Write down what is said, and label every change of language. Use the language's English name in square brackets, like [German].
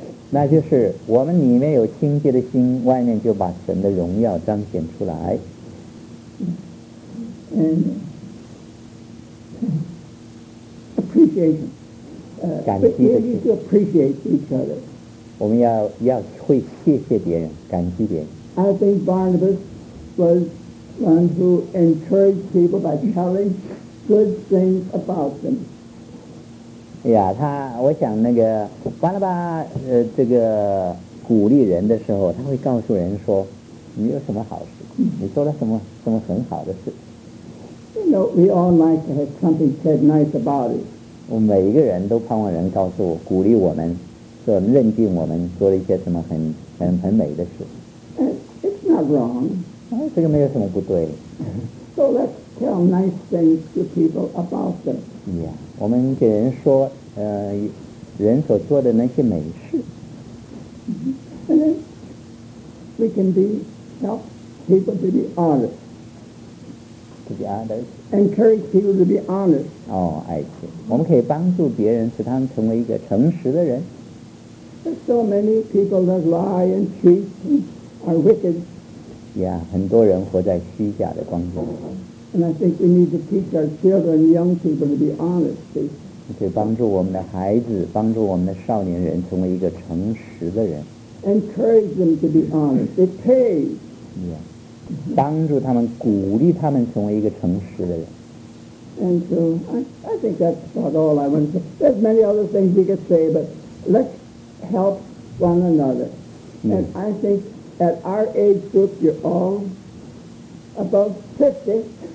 [Chinese] 那就是我们里面有清洁的心，外面就把神的荣耀彰显出来。 [English] And appreciation, [Chinese] 感激的心。 [English] But you need to appreciate each other. [Chinese] 我们要会谢谢别人，感激别人。 [English] I think Barnabas was one who encouraged people by telling good things about them. [Chinese] 哎呀，他，我想那个巴拉巴，这个鼓励人的时候，他会告诉人说，你有什么好事，你做了什么很好的事。 [English] You know, we all like to have something said nice about it. [Chinese] 我每一个人都盼望人告诉我，鼓励我们，说认定我们做了一些什么很美的事。 [English] It's not wrong. [Chinese] 这个没有什么不对。 [English] So let's tell nice things to people about them. [Chinese] Yeah, 我们给人说，人所做的那些美事。 [English] And then we can be help people to be honest. To be honest. Encourage people to be honest. [Chinese] 哦，爱情，我们可以帮助别人，使他们成为一个诚实的人。 [English] There's so many people that lie and cheat and are wicked. [Chinese] Yeah, 很多人活在虚假的光景。 [English] And I think we need to teach our children, young people, to be honest. [Chinese] 去帮助我们的孩子，帮助我们的少年人成为一个诚实的人。 [English] Encourage them to be honest. It pays. [Chinese] Yeah, 帮助他们，鼓励他们成为一个诚实的人。 [English] And so I think that's about all I want to say. There's many other things we could say, but let's help one another. And I think at our age group, you're all about 50.